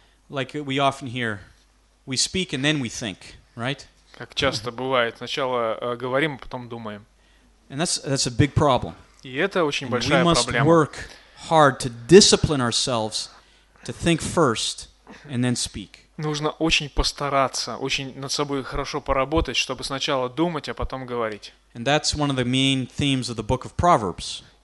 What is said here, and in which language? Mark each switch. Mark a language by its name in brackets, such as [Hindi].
[English] Like we often hear, we speak and then we think, right? [Russian] Как часто бывает, сначала говорим, а потом думаем. [English] And that's a big problem. [Russian] И это очень [English] and [Russian] большая проблема. [English] We must work hard to discipline ourselves to think first and then speak. [Russian] Нужно очень постараться, очень над собой хорошо поработать, чтобы сначала думать, а потом говорить. [English] And that's one of the main themes of the book of Proverbs.